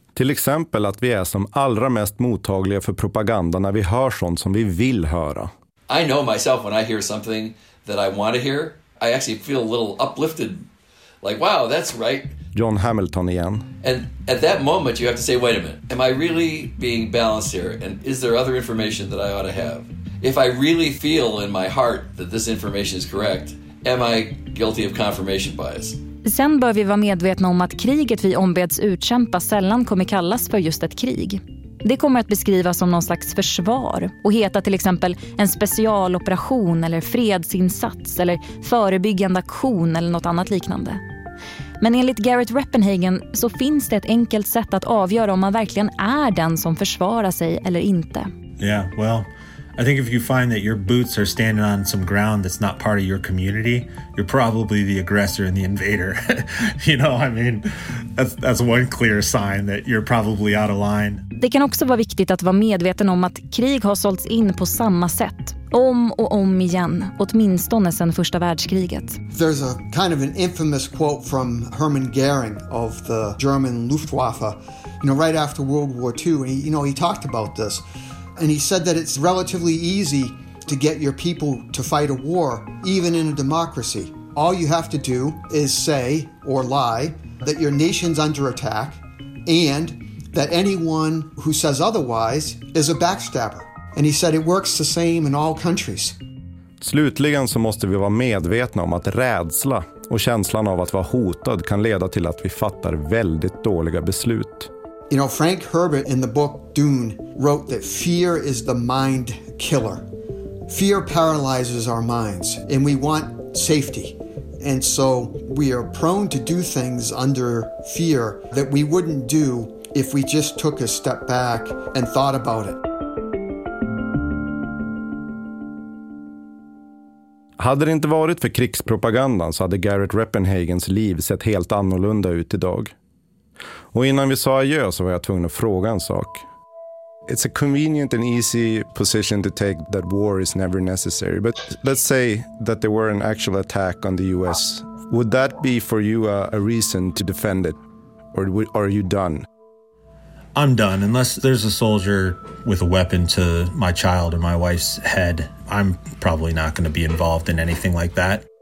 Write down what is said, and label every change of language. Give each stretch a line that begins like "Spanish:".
Swedish: Till exempel att vi är som allra mest mottagliga för propaganda när vi hör sånt som vi vill höra.
English: I know myself, when I hear something that I want to hear, I actually feel a little uplifted. Like, wow, that's right. John Hamilton again. And at that moment, you have to say, wait a minute, am I really being balanced here? And is there other information that I ought to have? If I really feel in my heart that this information is correct, am I guilty of confirmation bias?
Swedish: Sen bör vi vara medvetna om att kriget vi ombeds utkämpa sällan kommer kallas för just ett krig. Det kommer att beskrivas som någon slags försvar och heta till exempel en specialoperation eller fredsinsats eller förebyggande aktion eller något annat liknande. Men enligt Garrett Reppenhagen så finns det ett enkelt sätt att avgöra om man verkligen är den som försvarar sig eller inte.
English: Yeah, well, I think if you find that your boots are standing on some ground that's not part of your community, you're probably the aggressor and the invader. You know, I mean, that's one clear sign that you're probably out of line.
Swedish: Det kan också vara viktigt att vara medveten om att krig har sålts in på samma sätt, om och om igen, åtminstone sedan första världskriget.
English: There's a kind of an infamous quote from Hermann Göring of the German Luftwaffe, you know, right after World War II, and he talked about this. And he said that it's relatively easy to get your people to fight a war, even in a democracy. All you have to do is say or lie that your nation's under attack and that anyone who says otherwise is a backstabber. And he said it works the same in all countries. Slutligen så måste vi vara medvetna om att rädsla och känslan av att vara hotad kan leda till att vi fattar väldigt dåliga beslut. You know, Frank Herbert in the book Dune wrote that fear is the mind killer. Fear paralyzes our minds and we want safety. And so we are prone to do things under fear that we wouldn't do if we just took a step back and thought about it.
Swedish: Hade det inte varit för krigspropagandan så hade Garrett Reppenhagens liv sett helt annorlunda ut idag. Och innan vi sa adjö så var jag tvungen att fråga en sak.
English: It's a convenient and easy position to take that war is never necessary. But let's say that there were an actual attack on the US. Would that be for you a reason to defend it? Or are you done? I'm done. Unless there's a soldier with a weapon to my child or my wife's head, I'm probably not going to be involved in anything like that.